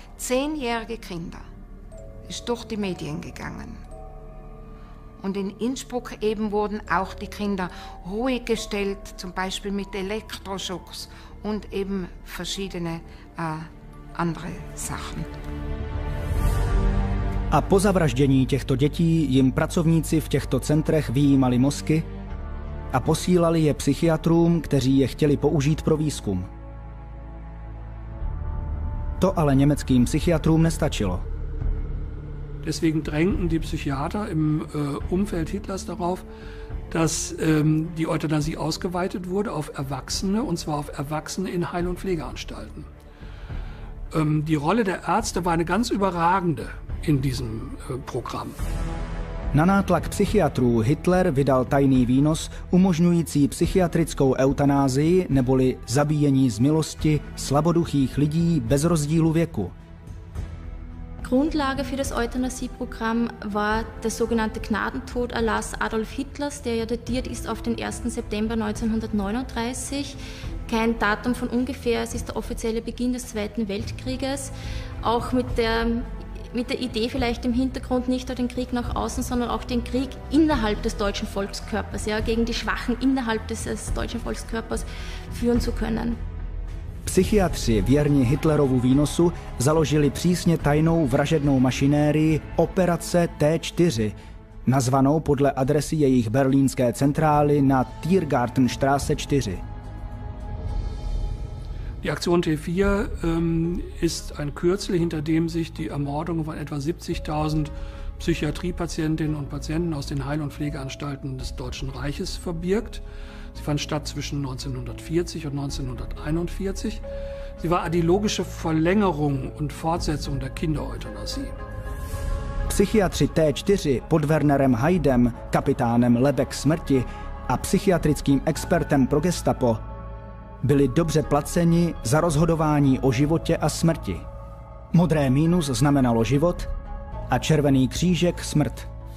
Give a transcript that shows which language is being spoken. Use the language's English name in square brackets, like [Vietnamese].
[German] 10-jährige Kinder ist durch die Medien gegangen. Und in Innsbruck eben wurden auch die Kinder ruhig gestellt, zum Beispiel mit Elektroschocks und eben verschiedene andere Sachen. [Czech] A po zavraždění těchto dětí jim pracovníci v těchto centrech vyjímali mozky a posílali je psychiatrům, kteří je chtěli použít pro výzkum. To ale německým psychiatrům nestačilo. [German] Deswegen drängten die Psychiater im Umfeld Hitlers darauf, dass die Euthanasie ausgeweitet wurde auf Erwachsene, und zwar auf Erwachsene in Heil- und Pflegeanstalten. Die Rolle der Ärzte war eine ganz überragende in diesem Programm. [Czech] Na nátlak psychiatrů Hitler vydal tajný výnos umožňující psychiatrickou eutanázii neboli zabíjení z milosti slaboduchých lidí bez rozdílu věku. [German] Grundlage für das Euthanasieprogramm war der sogenannte Gnadentoderlass Adolf Hitlers, der ja datiert ist auf den 1. September 1939. Kein Datum von ungefähr, es ist der offizielle Beginn des Zweiten Weltkrieges, auch mit der Idee vielleicht im Hintergrund nicht nur den Krieg nach außen, sondern auch den Krieg innerhalb des deutschen Volkskörpers, ja, gegen die Schwachen innerhalb des deutschen Volkskörpers führen zu können. [Czech] Psychiatři věrni Hitlerovu výnosu založili přísně tajnou vražednou mašinérii Operace T4, nazvanou podle adresy jejich berlínské centrály na Tiergartenstraße 4. [German] Die Aktion T4 ist ein Kürzel, hinter dem sich die Ermordung von etwa 70.000 Psychiatriepatientinnen und Patienten aus den Heil- und Pflegeanstalten des Deutschen Reiches verbirgt. Sie fand statt zwischen 1940 und 1941. Sie war die logische Verlängerung und Fortsetzung der Kindereuthanasie. [Czech] Psychiatři T4 pod Wernerem Haidem, Kapitánem Lebek Smrti a psychiatrickým expertem pro Gestapo byli dobře placeni za rozhodování o životě a smrti. Modré mínus znamenalo život a červený křížek smrt.